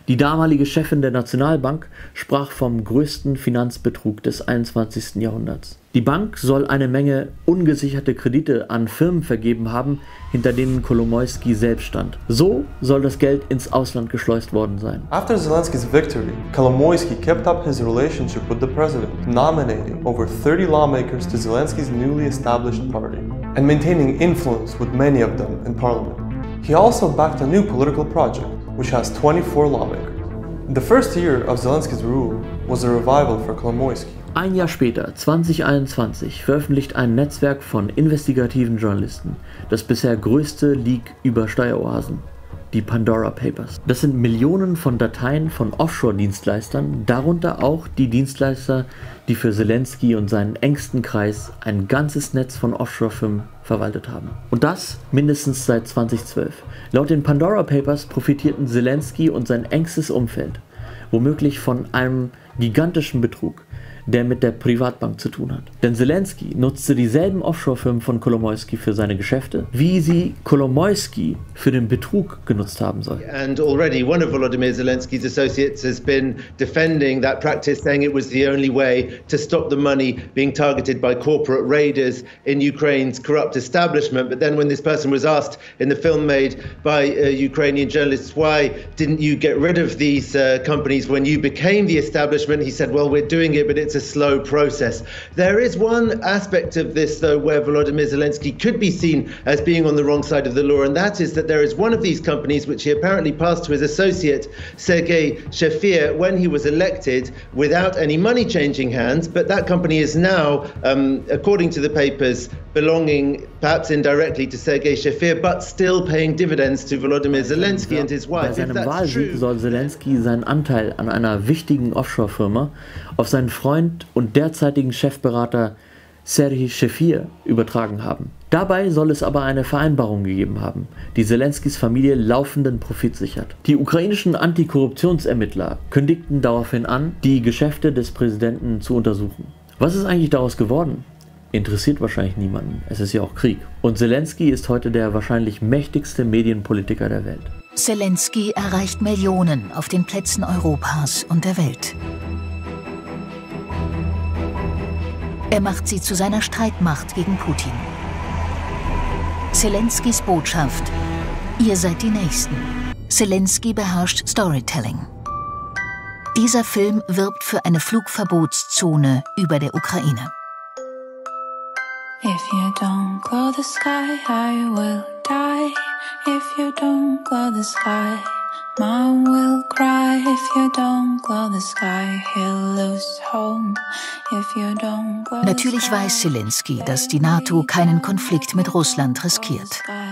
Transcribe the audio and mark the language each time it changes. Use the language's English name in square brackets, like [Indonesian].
[German] Die damalige Chefin der Nationalbank sprach vom größten Finanzbetrug des 21. Jahrhunderts. Die Bank soll eine Menge ungesicherte Kredite an Firmen vergeben haben, hinter denen Kolomoisky selbst stand. So soll das Geld ins Ausland geschleust worden sein. [English] After Zelensky's victory, Kolomoisky kept up his relationship with the president, nominating over 30 lawmakers to Zelensky's newly established party and maintaining influence with many of them in parliament. He also backed a new political project, which has 24 lawmakers. The first year of Zelensky's rule was a revival for Kolomoisky. [German] Ein Jahr später, 2021, veröffentlicht ein Netzwerk von investigativen Journalisten das bisher größte Leak über Steueroasen, die Pandora Papers. Das sind Millionen von Dateien von Offshore-Dienstleistern, darunter auch die Dienstleister, die für Zelensky und seinen engsten Kreis ein ganzes Netz von Offshore-Firmen verwaltet haben. Und das mindestens seit 2012. Laut den Pandora Papers profitierten Zelensky und sein engstes Umfeld womöglich von einem gigantischen Betrug, der mit der Privatbank zu tun hat. Denn Zelensky nutzte dieselben Offshore-Firmen von Kolomoisky für seine Geschäfte, wie sie Kolomoisky für den Betrug genutzt haben soll. [English] And already one of Volodymyr Zelensky's associates has been defending that practice, saying it was the only way to stop the money being targeted by corporate raiders in Ukraine's corrupt establishment. But then when this person was asked in the film made by Ukrainian journalists, why didn't you get rid of these companies when you became the establishment, he said, well, we're doing it, but it's a slow process. There is one aspect of this, though, where Volodymyr Zelensky could be seen as being on the wrong side of the law, and that is that there is one of these companies which he apparently passed to his associate, Sergei Shafir, when he was elected without any money changing hands. But that company is now, according to the papers, belonging perhaps indirectly to Sergei Shafir, but still paying dividends to Volodymyr Zelensky and his wife. [German] Bei seinem Wahlsieg soll Zelensky seinen Anteil an einer wichtigen Offshore-Firma auf seinen Freund und derzeitigen Chefberater Sergei Shafir übertragen haben. Dabei soll es aber eine Vereinbarung gegeben haben, die Zelenskys Familie laufenden Profit sichert. Die ukrainischen Antikorruptionsermittler kündigten daraufhin an, die Geschäfte des Präsidenten zu untersuchen. Was ist eigentlich daraus geworden? Interessiert wahrscheinlich niemanden. Es ist ja auch Krieg. Und Zelensky ist heute der wahrscheinlich mächtigste Medienpolitiker der Welt. Zelensky erreicht Millionen auf den Plätzen Europas und der Welt. Er macht sie zu seiner Streitmacht gegen Putin. Zelenskys Botschaft: Ihr seid die Nächsten. Zelensky beherrscht Storytelling. Dieser Film wirbt für eine Flugverbotszone über der Ukraine. [English] If you don't go the sky, I will die. If you don't go the sky, mom will cry. If you don't glow the sky, he'll lose home. If you don't glow the sky. [German] Natürlich weiß Zelensky, dass die NATO keinen Konflikt mit Russland riskiert.